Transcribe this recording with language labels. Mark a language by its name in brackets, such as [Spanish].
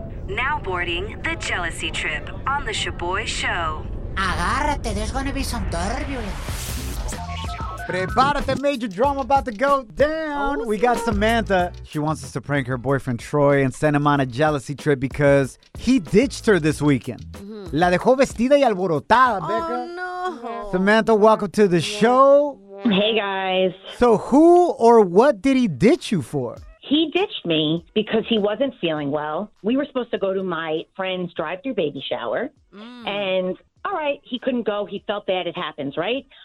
[English] Now boarding the Jealousy Trip on the Shaboy Show. [Spanish] Agárrate, [English] there's gonna be some turbulence. [Spanish] Prepárate, [English] major drama about to go down. We got Samantha. She wants us to prank her boyfriend Troy and send him on a jealousy trip because he ditched her this weekend. [Spanish] La dejó vestida y alborotada, Becca. [English] Oh, no. Samantha, welcome to the show. Hey, guys. So who or what did he ditch you for? He ditched me because he wasn't feeling well. We were supposed to go to my friend's drive-through baby shower. And, all right, he couldn't go. He felt bad. It happens, right?